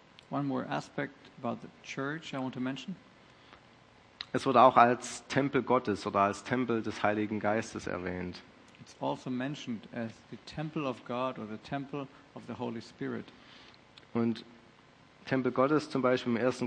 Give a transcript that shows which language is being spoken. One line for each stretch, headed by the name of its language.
English: One more aspect about the church I want to mention.
German: Es wurde auch als Tempel Gottes oder als Tempel des Heiligen Geistes erwähnt.
English: It's also mentioned as the temple of God or the temple of the Holy Spirit.
German: Und Tempel Gottes zum Beispiel im 1.